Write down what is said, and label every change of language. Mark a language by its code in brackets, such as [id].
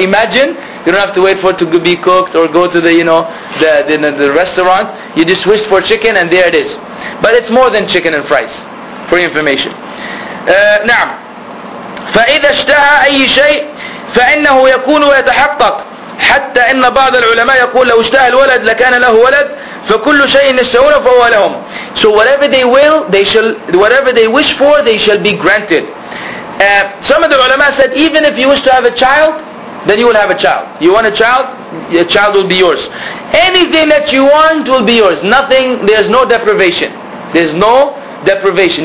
[en] Imagine, you don't have to wait for it to be cooked or go to the, you know, the restaurant. You just wish for chicken and there it is. But it's more than chicken and fries, for information. Now, [ar] فَإِذَا اشْتَهَى أَيِّ شَيْءٍ فإنه يكون ويتحقق. حتى إن بعض العلماء يقول لو اشتهى الولد لكان له ولد، فكل شيء يشتهونه فهو لهم. [en] So whatever they will, they shall, whatever they wish for, they shall be granted. Some of the ulama said, even if you wish to have a child, then you will have a child. You want a child, a child will be yours. Anything that you want will be yours. Nothing, there's no deprivation. There's no deprivation.